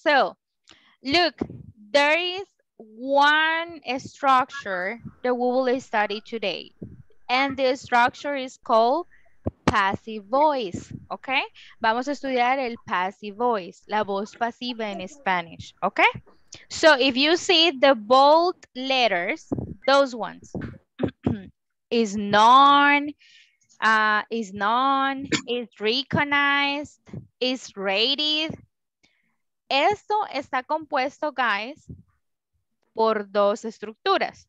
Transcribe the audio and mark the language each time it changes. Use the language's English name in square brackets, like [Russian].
[English] So, look, there is one structure that we will study today, and the structure is called passive voice. [Spanish] Okay, vamos a estudiar el passive voice, la voz pasiva en Spanish. [English] Okay, so if you see the bold letters, those ones is known, is recognized, is rated. [Spanish] Esto está compuesto, guys, por dos estructuras.